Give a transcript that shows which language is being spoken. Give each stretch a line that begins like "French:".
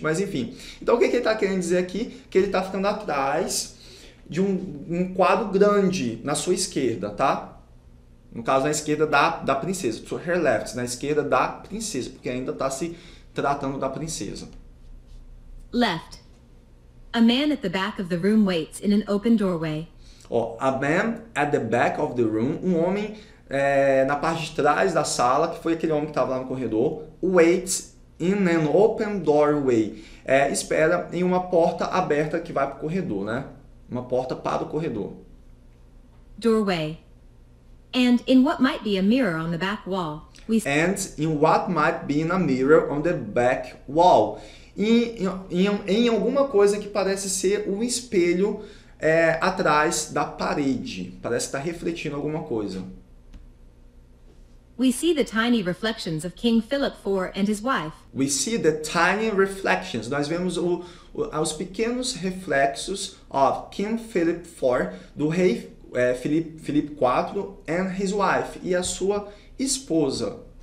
Portuguese: Mas enfim, então o que, que ele tá querendo dizer aqui? Que ele tá ficando atrás de um quadro grande na sua esquerda, tá? No caso, na esquerda da princesa,
English: to her left,
Portuguese: na esquerda da princesa, porque ainda tá se tratando da princesa.
English: Left. A man at the back of the room waits in an open doorway. A man at the back of the room,
Portuguese: um homem... na parte de trás da sala, que foi aquele homem que estava lá no corredor,
English: waits in an open doorway.
Portuguese: Espera em uma porta aberta que vai para o corredor, né? Uma porta para o corredor.
English: Doorway. And in what might be a mirror on the back wall. And in what might be in a mirror on the back wall.
Portuguese: Em alguma coisa que parece ser um espelho atrás da parede. Parece estar refletindo alguma coisa.
English: We see the tiny reflections of King Philip IV and his wife. We see the tiny reflections.
Portuguese: Nós vemos os pequenos reflexos
English: of King Philip IV,
Portuguese: do rei Felipe IV,
English: and his wife,
Portuguese: e a sua esposa.